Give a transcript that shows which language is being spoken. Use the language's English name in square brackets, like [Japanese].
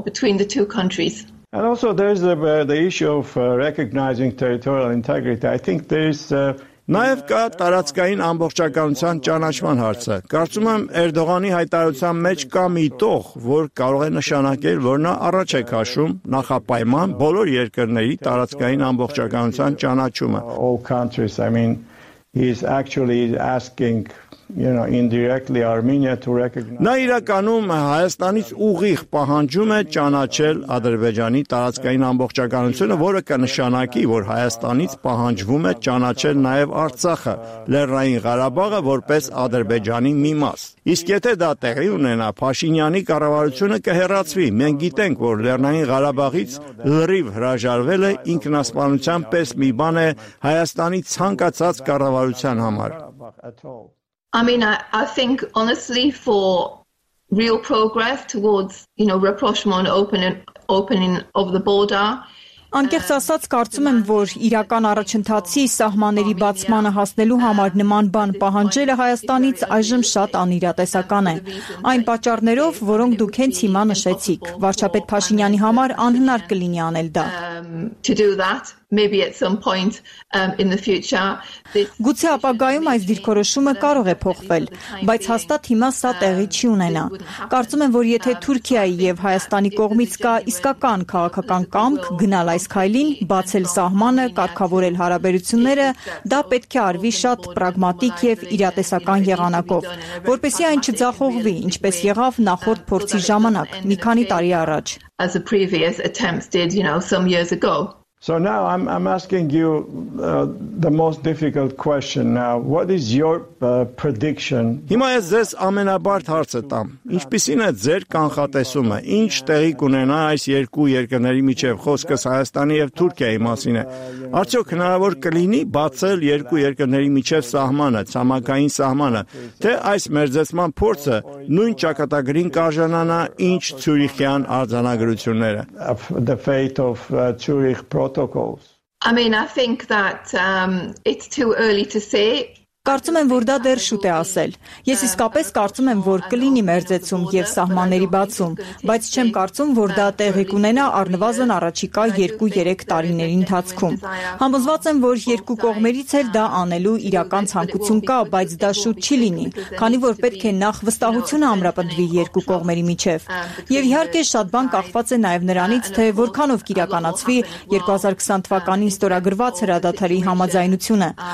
[English] And also there's the issue of recognizing territorial integrity. I think there's [Armenian] Նաև կա տարածքային ամբողջականության ճանաչման հարցը։ Կարծում եմ, Էրդողանի հայտարարության մեջ կա մի տող, որ կարող է նշանակել, որ նա առաջ է քաշում նախապայման բոլոր երկրների տարածքային ամբողջականության ճանաչումը։ [English] All countries, I mean, he's actually asking, you know, indirectly Armenia to recognize. [Armenian] Նա իրականում Հայաստանից ուղիղ պահանջում է ճանաչել Ադրբեջանի տարածքային ամբողջականությունը, որը կնշանակի, որ Հայաստանից պահանջվում է ճանաչել նաև Արցախը, Լեռնային Ղարաբաղը որպես Ադրբեջանի մի մաս։ Իսկ եթե դա տեղի ունենա, Փաշինյանի կառավարությունը կհեռացվի։ Մենք գիտենք, որ Լեռնային Ղարաբաղից լրիվ հրաժարվել է ինքնասպանության պես մի բան է Հայաստանի ցանկացած կառավարության համար։ [English] I mean, I think honestly, for real progress towards, you know, rapprochement, opening of the border. [Armenian] Անկեղծ ասած, կարծում եմ, որ իրական առաջընթացի սահմանների բացմանը հասնելու համար նման բան պահանջելը Հայաստանից այժմ շատ անիրատեսական է։ Այն պատճառներով, որոնք դուք հենց հիմա նշեցիք, վարչապետ Փաշինյանի համար անհնար կլինի անել դա։ [English] maybe at some point in the future. [Armenian] Գուցե ապագայում այս դիրքորոշումը կարող է փոխվել, բայց հաստատ հիմա սա տեղի չի ունենա։ Կարծում եմ, որ եթե Թուրքիայի եւ Հայաստանի կողմից կա իսկական քաղաքական կամք գնալ այս քայլին, բացել սահմանը, կարգավորել հարաբերությունները, դա պետք է արվի շատ պրագմատիկ եւ իրատեսական եղանակով, որպեսզի այն չձախողվի, ինչպես եղավ նախորդ փորձի ժամանակ, մի քանի տարի առաջ. [English] As a previous attempt did, you know, some years ago. So now I'm asking you the most difficult question now. What is your prediction? [Armenian] Հիմա ես ձեզ ամենաբարդ հարցը տամ։ Ինչպիսին է ձեր կանխատեսումը, ինչ տեղի կունենա այս երկու երկրների միջև, խոսքս Հայաստանի եւ Թուրքիայի մասին է։ Արդյոք հնարավոր կլինի բացել երկու երկրների միջև սահմանը, ցամաքային սահմանը, թե այս մերձեցման փորձը նույն ճակատագրին կարժանանա, ինչ Ցյուրիխյան արձանագրությունները։ [English] The fate of Zurich protocols. I mean, I think that it's too early to say. [Armenian] Կարծում եմ, որ դա դեռ շուտ է ասել։ Ես իսկապես կարծում եմ, որ կլինի մերձեցում եւ սահմանների բացում, բայց չեմ կարծում, որ դա տեղի կունենա առնվազն առաջիկա 2-3 տարիների ընթացքում։ Համոզված եմ, որ երկու կողմերից էլ դա անելու իրական ցանկություն կա, բայց դա շուտ չի լինի, քանի որ պետք է նախ վստահությունը ամրապնդվի երկու կողմերի միջև։ Եվ իհարկե շատ բան կախված է նաեւ նրանից, թե որքանով կիրականացվի 2020 թվականին ստորագրված հրադադարի համաձայնությունը,